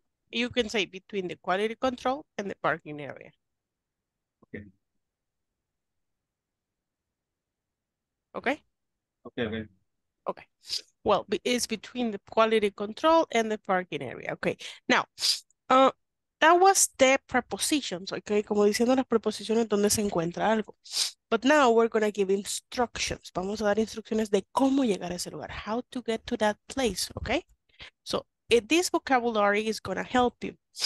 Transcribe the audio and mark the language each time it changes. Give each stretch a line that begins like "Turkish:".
English: You can say between the quality control and the parking area. Okay. Well, it's between the quality control and the parking area. Okay. Now, that was the prepositions, okay?
Spanish: Como diciendo las preposiciones donde se encuentra algo.
English: But now we're going to give instructions.
Spanish: Vamos a dar instrucciones de cómo llegar a ese lugar.
English: How to get to that place, okay? So this vocabulary is going to help you.